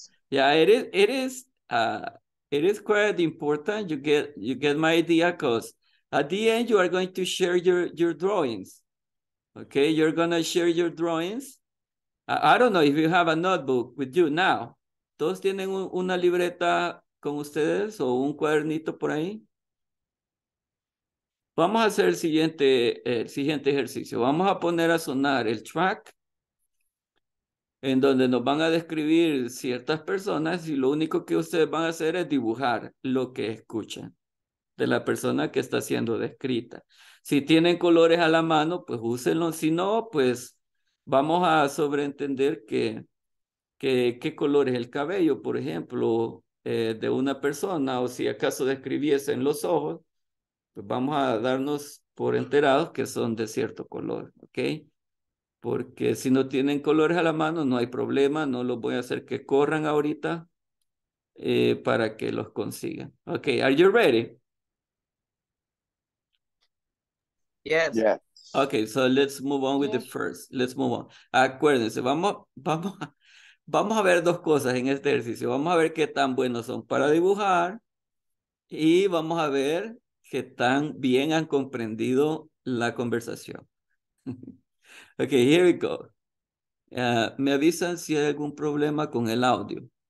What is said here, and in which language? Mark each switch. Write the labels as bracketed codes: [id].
[en] yes. It is quite important you get my idea, because at the end you are going to share your drawings. Okay, you're gonna share your drawings. I don't know if you have a notebook with you now. [es] ¿Todos tienen una libreta con ustedes o un cuadernito por ahí? Vamos a hacer el siguiente ejercicio. Vamos a poner a sonar el track en donde nos van a describir ciertas personas, y lo único que ustedes van a hacer es dibujar lo que escuchan de la persona que está siendo descrita. Si tienen colores a la mano, pues úsenlos. Si no, pues vamos a sobreentender qué color es el cabello, por ejemplo, de una persona, o si acaso describiesen los ojos, pues vamos a darnos por enterados que son de cierto color, ¿ok? Porque si no tienen colores a la mano, no hay problema, no los voy a hacer que corran ahorita para que los consigan. [en] Ok, are you ready? Yes. Yeah. Ok, so let's move on with the first. Let's move on. [es] Acuérdense, vamos a ver dos cosas en este ejercicio. Vamos a ver qué tan buenos son para dibujar y vamos a ver qué tan bien han comprendido la conversación. [en] Okay, here we go. [es] Me avisan si hay algún problema con el audio.